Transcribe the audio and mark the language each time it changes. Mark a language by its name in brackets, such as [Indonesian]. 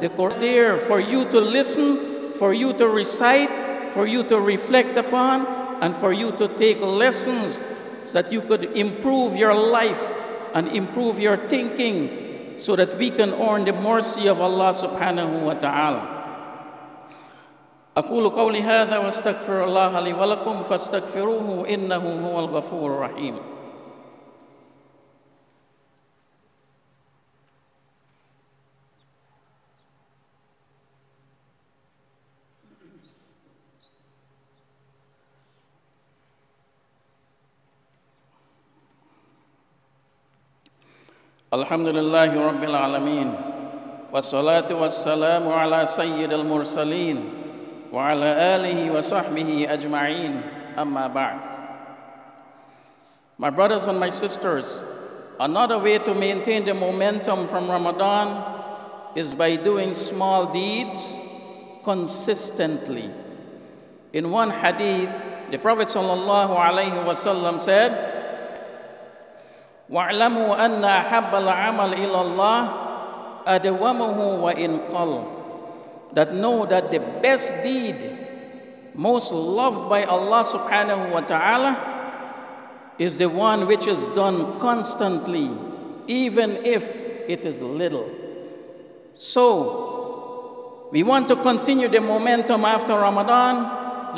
[English] The Quran is there for you to listen, for you to recite, for you to reflect upon, and for you to take lessons so that you could improve your life and improve your thinking so that we can earn the mercy of Allah subhanahu wa ta'ala. [Arabic] أقول قولي هذا واستغفر الله لي ولكم فاستغفروه إنه هو الغفور الرحيم. الحمد لله رب العالمين والصلاة والسلام على سيد المرسلين وعلى آله وصحبه أجمعين أما بعد. [English] My brothers and my sisters, another way to maintain the momentum from Ramadan is by doing small deeds consistently. In one hadith, the Prophet [Arabic] صلى الله عليه وسلم [English] said, [Arabic] وَاعْلَمُوا أَنَّ أَحَبَّ الْعَمَلِ إِلَى اللَّهِ أَدْوَمُهُ وَإِنْ قَلَّ. [English] That know that the best deed, most loved by Allah subhanahu wa ta'ala, is the one which is done constantly, even if it is little. So, we want to continue the momentum after Ramadan.